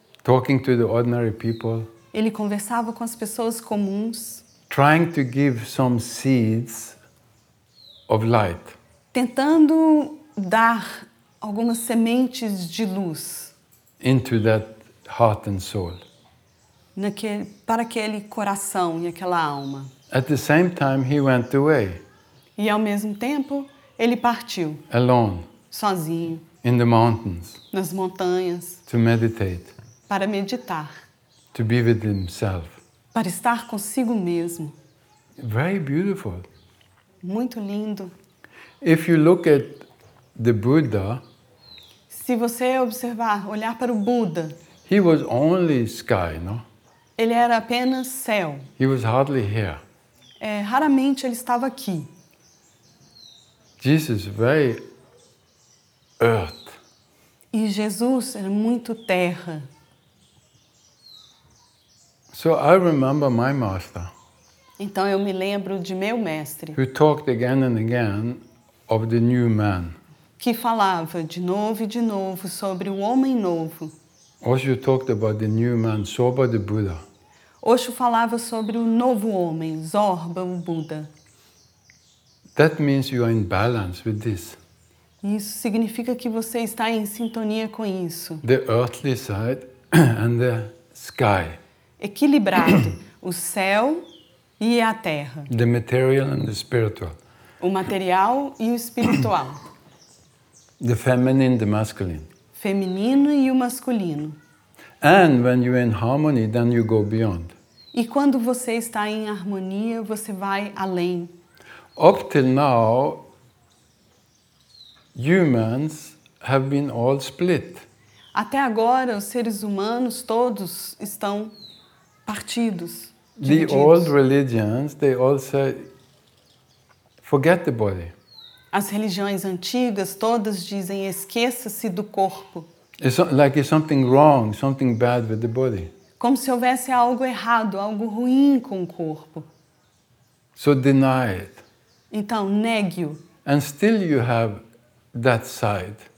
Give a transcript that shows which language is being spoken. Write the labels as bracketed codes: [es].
[en] Talking to the ordinary people. [pt] Ele conversava com as pessoas comuns. [en] Trying to give some seeds of light. [pt] Tentando dar algumas sementes de luz. [en] Into that heart and soul. [pt] Para aquele coração e aquela alma. [en] At the same time, he went away. [pt] E ao mesmo tempo, ele partiu. [en] Alone. [pt] Sozinho. [en] In the mountains. [pt] Nas montanhas. [en] To meditate. [pt] Para meditar. [en] To be with himself. [pt] Para estar consigo mesmo. [en] Very beautiful. [pt] Muito lindo. [en] If you look at the Buddha. [pt] Se você observar, olhar para o Buddha. [en] He was only sky, no? [pt] Ele era apenas céu. [en] He was hardly here. [pt] É, raramente ele estava aqui. [en] Jesus very earth. [pt] E Jesus era muito terra. [en] So I remember my master. [pt] Então eu me lembro de meu mestre. [en] Who talked again and again of the new man. [pt] Que falava de novo sobre o homem novo. [en] Osho talked about the new man, Zorba the Buddha. [pt] Osho falava sobre o novo homem, Zorba o Buddha. [en] That means you are in balance with this. [pt] Isso significa que você está em sintonia com isso. [en] The earthly side and the sky. [pt] Equilibrado, o céu e a terra. [en] The material and the spiritual. [pt] O material e o espiritual. [en] The feminine, the masculine. [pt] Feminino e o masculino. [en] And when you're in harmony, then you go beyond. [pt] E quando você está em harmonia, você vai além. [en] Up till now, humans have been all split. [pt] Até agora, os seres humanos todos estão partidos, divididos. [en] The old religions, they all say, forget the body. [pt] As religiões antigas todas dizem, esqueça-se do corpo. [en] It's like it's something wrong, something bad with the body. [pt] Como se houvesse algo errado, algo ruim com o corpo. [en] So deny it. [pt] Então, negue-o. [en] And still you have that side.